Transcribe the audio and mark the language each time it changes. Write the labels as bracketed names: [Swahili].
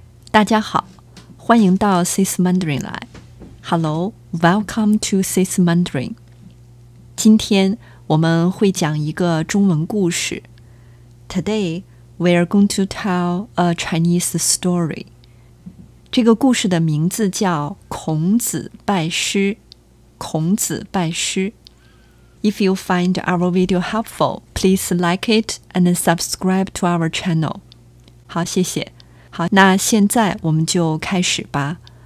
[Chinese] 大家好，欢迎到 SyS Mandarin 来。 [English] Hello, welcome to SyS Mandarin. [Chinese] 今天我们会讲一个中文故事。 [English] Today, we are going to tell a Chinese story. [Chinese] 这个故事的名字叫孔子拜师。孔子拜师。 [English] If you find our video helpful, please like it and subscribe to our channel. [Chinese] 好，谢谢。好，那现在我们就开始吧。